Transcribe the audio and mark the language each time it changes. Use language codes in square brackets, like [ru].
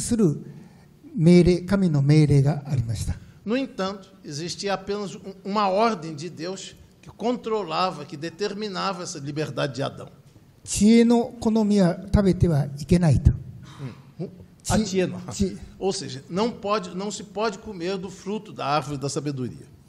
[ja] 一つだけその自由を制限する命令、神の命令がありました。 [pt] No entanto, existia apenas uma ordem de Deus que controlava, que determinava essa liberdade de Adão. [ja] 知恵の好みは食べてはいけないと。 [pt] Ou seja, não se pode comer do fruto da árvore da sabedoria.